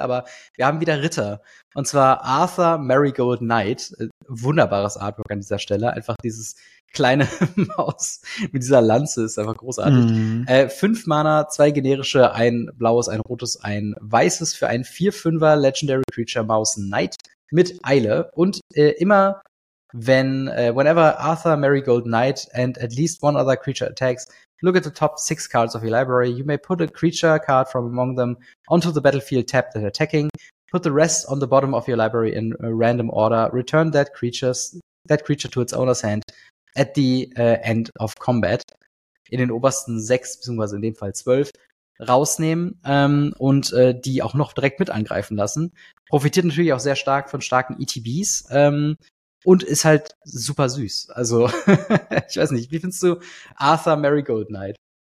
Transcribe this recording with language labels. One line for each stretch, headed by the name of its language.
German: Aber wir haben wieder Ritter. Und zwar Arthur Marigold Knight. Wunderbares Artwork an dieser Stelle. Einfach dieses kleine Maus mit dieser Lanze ist einfach großartig. 5 Mana, 2 generische, ein blaues, ein rotes, ein weißes für ein 4-5er Legendary Creature Maus Knight mit Eile. Und immer wenn
English: whenever Arthur Marigold Knight and at least one other creature attacks, look at the top 6 cards of your library. You may put a creature card from among them onto the battlefield tab that attacking. Put the rest on the bottom of your library in a random order. Return that creature to its owner's hand at the end of combat.
German: In den obersten 6, beziehungsweise in dem Fall 12, rausnehmen und die auch noch direkt mit angreifen lassen. Profitiert natürlich auch sehr stark von starken ETBs. Und ist halt super süß. Also, ich weiß nicht, wie findest du Arthur Marigold Knight?